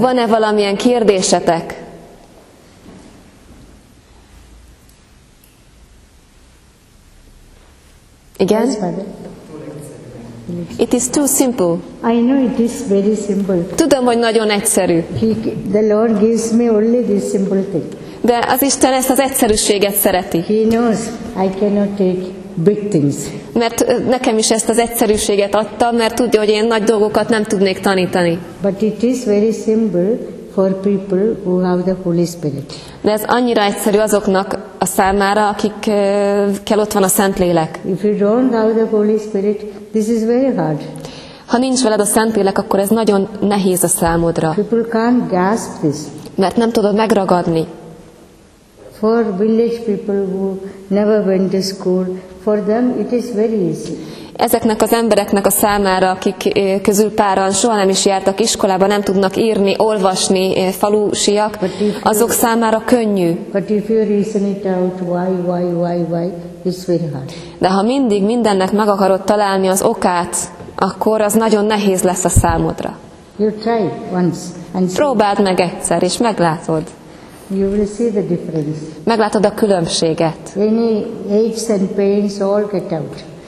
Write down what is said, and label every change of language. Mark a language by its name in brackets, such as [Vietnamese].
[Hungarian] Van-e valamilyen kérdésetek? Igen? [English] Yes, it is too simple. I know it is very simple. [Hungarian] Tudom, hogy nagyon egyszerű. [English] The Lord gives me only this simple thing. [Hungarian] De az Isten ezt az egyszerűséget szereti. [English] He knows I cannot take big things. [Hungarian] Mert nekem is ezt az egyszerűséget adta, mert tudja, hogy én nagy dolgokat nem tudnék tanítani. [English] But it is very simple for people who have the Holy Spirit. [Hungarian] De ez annyira egyszerű azoknak a számára, akikkel ott van a Szentlélek. [English] If you don't have the Holy Spirit, this is very hard. [Hungarian] Ha nincs veled a Szentlélek, akkor ez nagyon nehéz a számodra. [English] People can't grasp this. [Hungarian] Mert nem tudod megragadni. [English] For village people who never went to school, for them it is very easy. [Hungarian] Ezeknek az embereknek a számára, akik közül páran soha nem is jártak iskolába, nem tudnak írni, olvasni, falusiak, azok számára könnyű. [English] But if you reason it out, why, it's very hard. [Hungarian] De ha mindig mindennek meg akarod találni az okát, akkor az nagyon nehéz lesz a számodra. [English] You try once and see. [Hungarian] Próbáld meg egyszer, és meglátod. [English] You will see the difference. [Hungarian] Meglátod a különbséget. [English] Any aches and pains all get out.